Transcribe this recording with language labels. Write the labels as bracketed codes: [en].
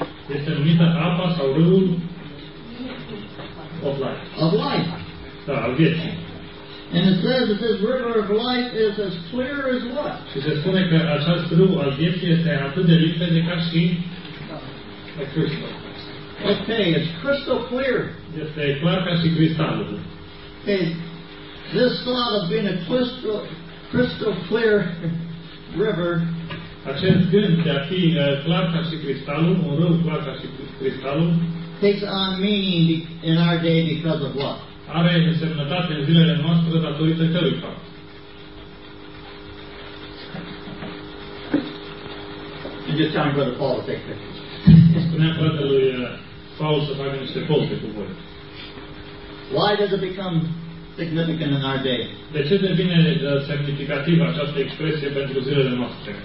[ro] este numită apa sau râul [en] Of life. And it says that this river of life is as clear as what? [ro] Și se spune că acest râu al vieții este atât de limpede ca și [en] cristal. Okay, it's crystal clear. [ro] Este clar ca și cristalul. [en] Okay, this thought of being a crystal clear river. [ro] Acest gând de a fi clar ca și cristalul, un râu clar ca și cristalul. [en] Takes on meaning in our day because of what? [ro] Are însemnătate în zilele noastre datorită cărui fapt? [en] You just tell me Brother Paul to take pictures. [ro] Spuneam fratelui Paul să facă niște poze cu voi. [en] Why does it become significant in our day? [ro] De ce devine semnificativă această expresie pentru zilele noastre?